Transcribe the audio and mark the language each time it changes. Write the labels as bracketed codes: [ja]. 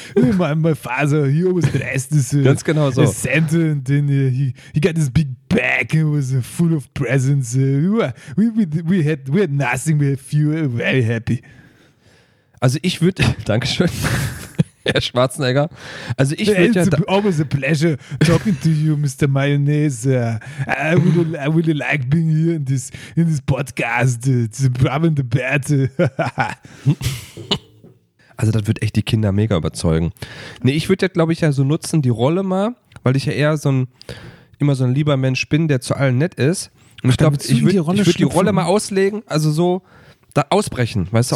[en] My father, he always dressed as [de] ganz genau so. [en] Santa, and then he got this big bag, it was full of presents. We had nothing, we had few, very happy. [de] Also ich würde, dankeschön, Herr Schwarzenegger. Also ich würde ja [en] always a pleasure talking to you, Mr. Mayonnaise. I really like being here in this podcast. It's a problem in the bad. [de] Also das wird echt die Kinder mega überzeugen. Nee, ich würde ja, glaube ich, ja so nutzen die Rolle mal, weil ich ja eher immer so ein lieber Mensch bin, der zu allen nett ist. Und ich glaube, ich würde die Rolle mal auslegen, also so da ausbrechen, weißt du,